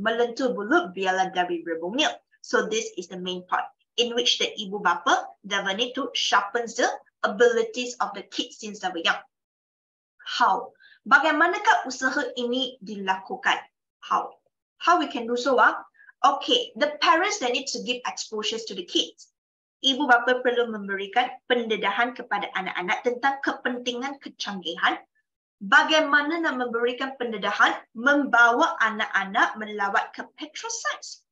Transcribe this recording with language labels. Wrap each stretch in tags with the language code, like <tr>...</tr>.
<ms>Melentur bulu biarlah dari rebungnya.</ms> <en>So this is the main part in which the ibu bapa never need to sharpen the abilities of the kids since they were young. How?</en> <ms>Bagaimanakah usaha ini dilakukan?</ms> <en>How? How we can do so? Okay, the parents they need to give exposures to the kids.</en> <ms>Ibu bapa perlu memberikan pendedahan kepada anak-anak tentang kepentingan kecanggihan. Bagaimana nak memberikan pendedahan membawa anak-anak melawat ke petrosites.</ms>